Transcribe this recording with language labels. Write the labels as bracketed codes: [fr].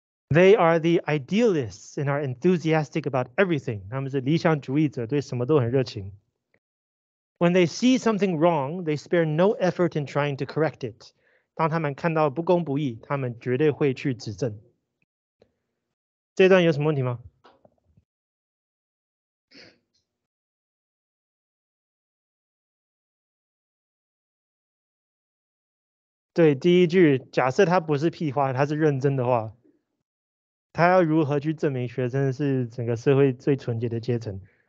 [en] They are the idealists and are enthusiastic about everything. [zh] 他们是理想主义者，对什么都很热情。 [en] When they see something wrong, they spare no effort in trying to correct it. [zh] 当他们看到不公不义，他们绝对会去指正。这段有什么问题吗？对，第一句，假设他不是屁话，他是认真的话，他要如何去证明学生是整个社会最纯洁的阶层？